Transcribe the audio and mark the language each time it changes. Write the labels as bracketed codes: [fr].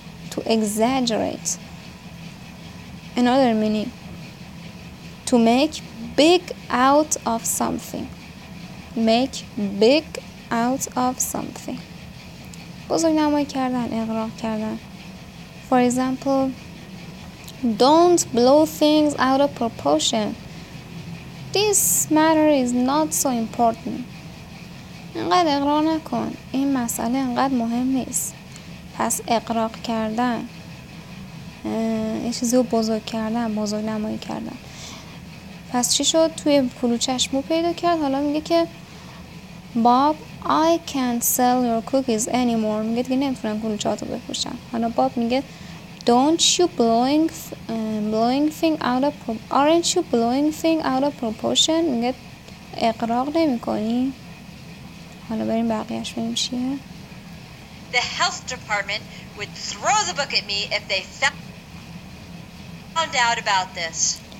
[en] To exaggerate. Another meaning. To make big out of something. Make big out of something. [fa] بزرگ نمایی کردن، اغراق کردن. [en] For example, don't blow things out of proportion. This matter is not so important. [fa] اینقدر اغراق نکن، این مسئله اینقدر مهم نیست. پس اغراق کردن یه چیزی رو بزرگ کردن، بزرگ نمایی کردن. پس چی شد؟ توی کلوچه‌اش مو پیدا کرد. حالا میگه که [en] Bob, I can't sell your cookies anymore. [fa] میگه دیگه نمیتونم کلوچه‌هاتو بفروشم. حالا باب میگه [en] aren't you blowing thing out of proportion. [fa] میگه اغراق نمی‌کنی. حالا بریم بقیه‌اش ببینیم چیه. [en] The health department would throw the book at me if they found out about this.